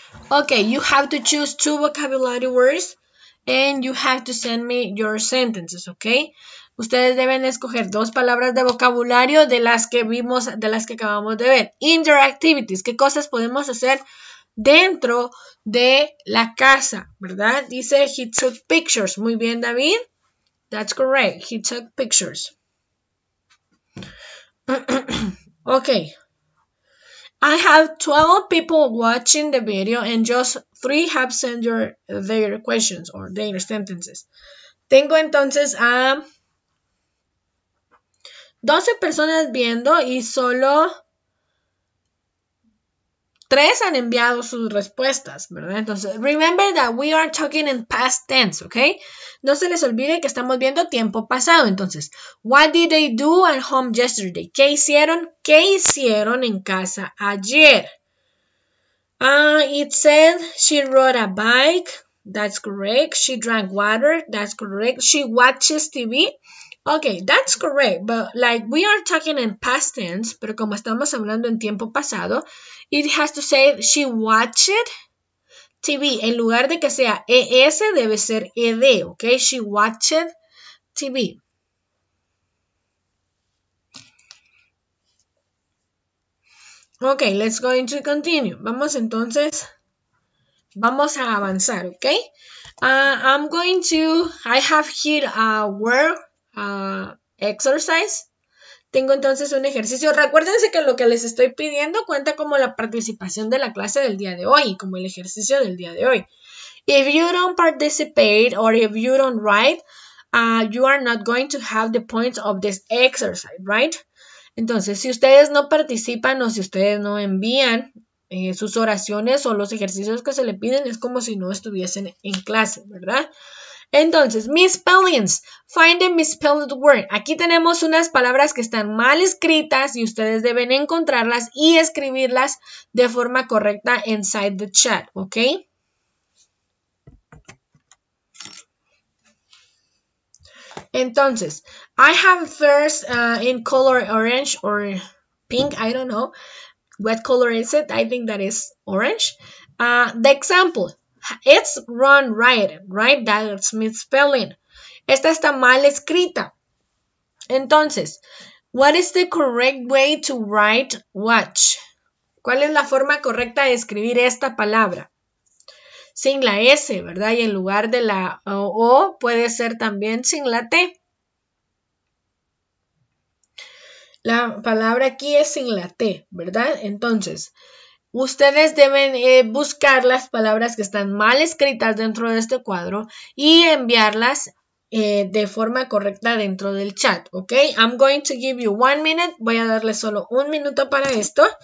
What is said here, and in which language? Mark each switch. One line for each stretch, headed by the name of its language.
English: Ok, you have to choose two vocabulary words and you have to send me your sentences, ok?
Spanish: Ustedes deben escoger dos palabras de vocabulario de las que vimos, de las que acabamos de ver. Interactivities, ¿qué cosas podemos hacer dentro de la casa? ¿Verdad? Dice,
English: he took pictures.
Spanish: Muy bien,
English: David. That's correct. He took pictures. Ok. I have 12 people watching the video and just 3 have sent their questions or their sentences.
Spanish: Tengo entonces a 12 personas viendo y solo 3 han enviado sus respuestas, ¿verdad?
English: Entonces, remember that we are talking in past tense, ¿ok?
Spanish: No se les olvide que estamos viendo tiempo pasado.
English: Entonces, what did they do at home yesterday?
Spanish: ¿Qué hicieron? ¿Qué hicieron en casa ayer?
English: It said she rode a bike. That's correct. She drank water. That's correct. She watches TV. Okay, that's correct, but like we are talking in past tense,
Spanish: pero como estamos hablando en tiempo pasado,
English: it has to say she watched TV.
Spanish: En lugar de que sea ES, debe ser ED, okay?
English: She watched TV. Okay, let's go into continue.
Spanish: Vamos entonces, vamos a avanzar,
English: okay? I'm going to, I have here a word.
Spanish: Exercise. Tengo entonces un ejercicio. Recuérdense que lo que les estoy pidiendo cuenta como la participación de la clase del día de hoy, como el ejercicio del día de hoy.
English: If you don't participate or if you don't write, you are not going to have the points of this exercise, right?
Spanish: Entonces, si ustedes no participan o si ustedes no envían sus oraciones o los ejercicios que se le piden, es como si no estuviesen en clase, ¿verdad?
English: Entonces, misspellings, find a misspelled word.
Spanish: Aquí tenemos unas palabras que están mal escritas y ustedes deben encontrarlas y escribirlas de forma correcta
English: inside the chat,
Spanish: ¿ok?
English: Entonces, I have first in color orange or pink, I don't know. What color is it? I think that is orange. The example. It's run right, right? That's misspelling.
Spanish: Esta está mal escrita.
English: Entonces, what is the correct way to write watch?
Spanish: ¿Cuál es la forma correcta de escribir esta palabra? Sin la S, ¿verdad? Y en lugar de la O, puede ser también sin la T. La palabra aquí es sin la T, ¿verdad? Entonces, ustedes deben buscar las palabras que están mal escritas dentro de este cuadro y enviarlas de forma correcta dentro del chat, ¿ok?
English: I'm going to give you 1 minute.
Spanish: Voy a darle solo 1 minuto para esto.